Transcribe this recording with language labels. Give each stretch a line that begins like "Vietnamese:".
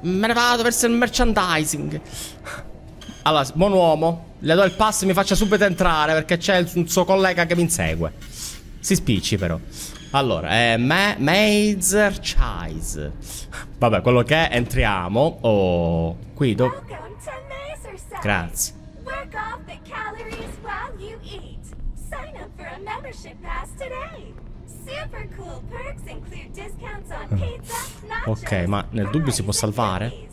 Italian: Me ne vado verso il merchandising. Allora, buon uomo, le do il pass e mi faccia subito entrare, perché c'è un suo collega che mi insegue. Si spicci però. Allora, Mazerchise. Vabbè, quello che è, entriamo. Oh, qui dopo. Grazie.
English: Work off the calories while you eat. Sign up for a membership pass today. Super cool perks include discounts on pizza, nachos.
Italian: Ok, ma nel dubbio si può salvare?